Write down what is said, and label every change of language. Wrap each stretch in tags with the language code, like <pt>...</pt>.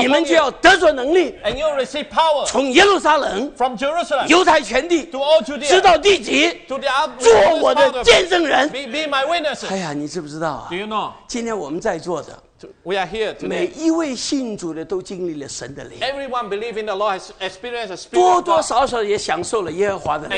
<zh>你们就要得着能力</zh> <en>，And you'll receive power，</en> <zh>从耶路撒冷</zh> <en>，From Jerusalem，</en> <zh>犹太全地</zh> <en>，To all Judea，</en> <zh>直到地极</zh> <en>，To the upper，</en> <zh>做我的见证人</zh> <en>，Be my witnesses。</en> <zh>哎呀，你知不知道啊</zh> <en>？Do you know？</en> <zh>今天我们在座的</zh> <en>We are here today.</en> <zh>每一位信主的都经历了神的灵。</zh> <en>Everyone believing the Lord has experienced the Spirit.</en> <zh>多多少少也享受了耶和华的灵。</zh>